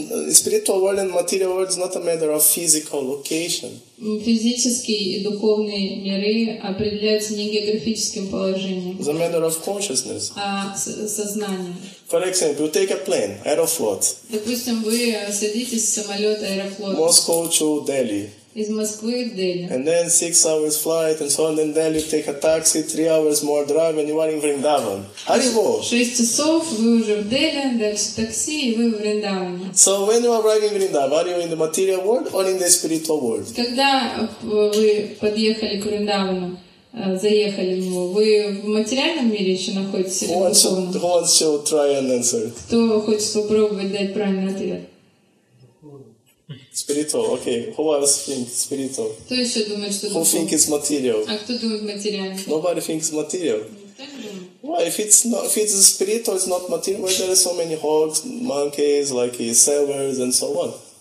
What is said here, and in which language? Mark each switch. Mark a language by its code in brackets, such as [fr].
[en] Spiritual world and material world is not a matter of physical location. [ru] Физические и духовные миры определяются не географическим положением. [en] It's a matter of consciousness. [ru] А сознание. [en] For example, you take a plane, Aeroflot. [ru] Допустим, вы садитесь в самолет Аэрофлот. [en] Moscow to Delhi. [ru] Из Москвы в Дели. [en] And then 6 hours flight and so on, then Delhi take a taxi, 3 hours more drive and you are in Vrindavan. How do you go? [ru] 6 часов, вы уже в Дели, дальше такси и вы в Вриндаване. [en] So when you arrive in Vrindavan, are you in the material world or in the spiritual world? [ru] Когда вы подъехали к Вриндавану, заехали в него, вы в материальном мире еще находитесь или в духовном? [en] Who wants to try and answer? [ru] Кто хочет попробовать дать правильный ответ? [en] Spiritual, okay. Who else thinks spiritual? [ru] Кто еще думает, что духовный? [en] Who thinks material? [ru] А кто думает материально? [en] Nobody thinks material. Why? If it's not, if it's spiritual, it's not material. Why there are so many hogs, monkeys, like sailors and so on?